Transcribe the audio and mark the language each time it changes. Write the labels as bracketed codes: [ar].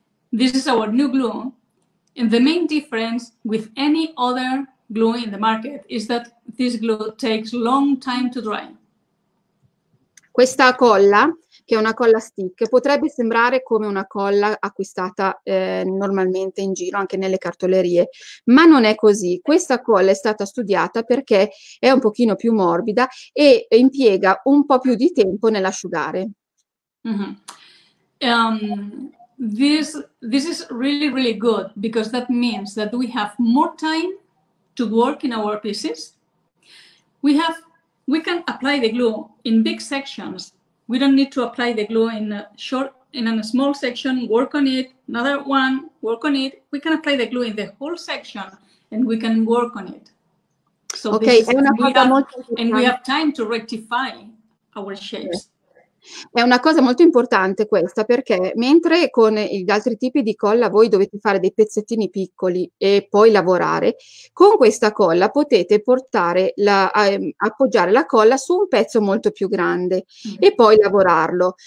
[en] This is our new glue. And the main difference with any other glue in the market is that this glue takes long time to dry. [it] Questa colla, che è una colla stick, potrebbe sembrare come una colla acquistata normalmente in giro, anche nelle cartolerie, ma non è così. Questa colla è stata studiata perché è un pochino più morbida e impiega un po' più di tempo nell'asciugare. Mm-hmm. [en] This is really, really good, because that means that we have more time to work in our pieces. We can apply the glue in big sections. We don't need to apply the glue in a short, in a small section, work on it, another one, work on it. We can apply the glue in the whole section and we can work on it. So okay, this is, and we have time to rectify our shapes. Yeah. [it] È una cosa molto importante questa, perché mentre con gli altri tipi di colla voi dovete fare dei pezzettini piccoli e poi lavorare, con questa colla potete portare appoggiare la colla su un pezzo molto più grande e poi lavorarlo.